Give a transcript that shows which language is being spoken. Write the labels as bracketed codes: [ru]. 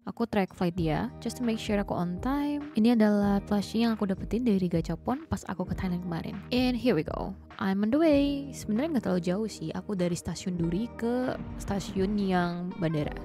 [id] Aku track flight dia, [en] just to make sure [id] aku [en] on time. [id] Ini adalah plushie yang aku dapetin dari gacapon pas aku ke Thailand kemarin. [en] And here we go, I'm on the way. [id] Sebenarnya gak terlalu jauh sih, aku dari stasiun Duri ke stasiun yang bandara.